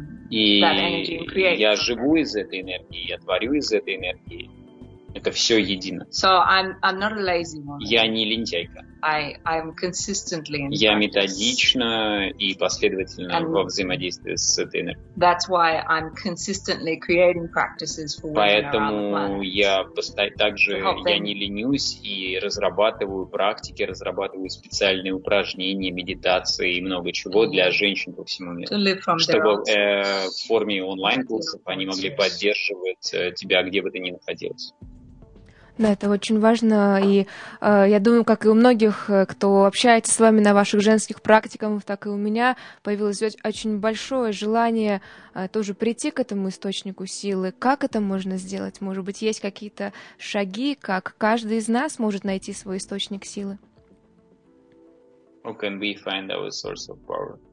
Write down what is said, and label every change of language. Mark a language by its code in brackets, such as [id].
[ru] И я живу из этой энергии, я творю из этой энергии. Это все едино. [en] So I'm not a lazy woman. [ru] Я не лентяйка. [en] I'm consistently in [ru] practice. Я методично и последовательно во взаимодействии с этой энергией. [en] That's why I'm consistently creating practices for women. [ru] Поэтому я также я не ленюсь и разрабатываю практики, разрабатываю специальные упражнения, медитации и много чего для женщин по всему миру. [en] To live from [ru] чтобы в форме онлайн-курсов они могли поддерживать тебя, где бы ты ни находилась. Да, это очень важно, и я думаю, как и у многих, кто общается с вами на ваших женских практиках, так и у меня появилось очень большое желание тоже прийти к этому источнику силы. Как это можно сделать? Может быть, есть какие-то шаги, как каждый из нас может найти свой источник силы? [en] How can we find our source of power?